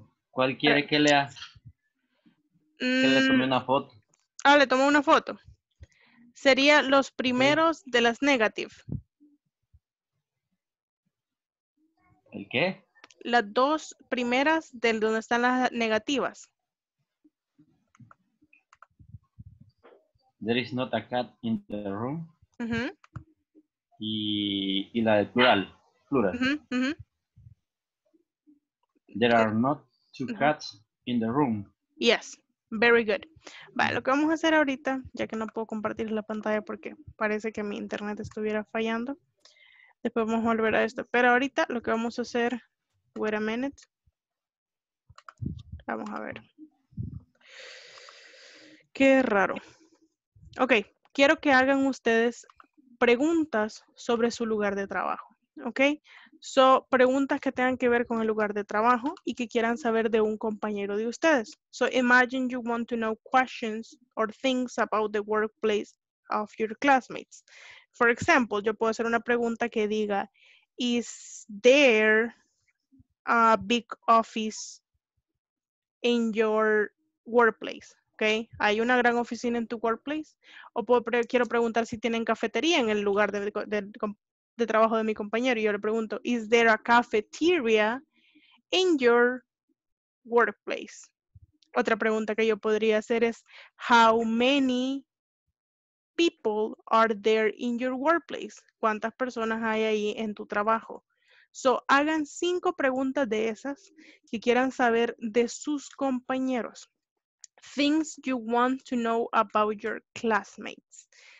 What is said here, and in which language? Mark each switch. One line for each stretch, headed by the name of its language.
Spanish: ¿Cuál quiere que lea? Que le tome una foto. Ah, le tomo una foto. Sería los primeros de las negative. ¿El qué? Las dos primeras del donde están las negativas.
English: There is not a cat in the room. Uh-huh.
Spanish: Y la del plural. Plural.
English: There are not two cats in the room. Yes, very good.
Spanish: Vale, lo que vamos a hacer ahorita, ya que no puedo compartir la pantalla porque parece que mi internet estuviera fallando. Después vamos a volver a esto. Pero ahorita lo que vamos a hacer,
English: wait a minute.
Spanish: Vamos a ver. Qué raro. Ok, quiero que hagan ustedes preguntas sobre su lugar de trabajo, ok? So, preguntas que tengan que ver con el lugar de trabajo y que quieran saber de un compañero de ustedes.
English: So, imagine you want to know questions or things about the workplace of your classmates. For example,
Spanish: yo puedo hacer una pregunta que diga,
English: is there a big office in your workplace? Okay.
Spanish: ¿Hay una gran oficina en tu workplace? O quiero preguntar si tienen cafetería en el lugar de trabajo de mi compañero. Y yo le pregunto,
English: is there a cafeteria in your workplace?
Spanish: Otra pregunta que yo podría hacer es,
English: how many people are there in your workplace?
Spanish: ¿Cuántas personas hay ahí en tu trabajo? So, hagan 5 preguntas de esas que quieran saber de sus compañeros.
English: Things you want to know about your classmates.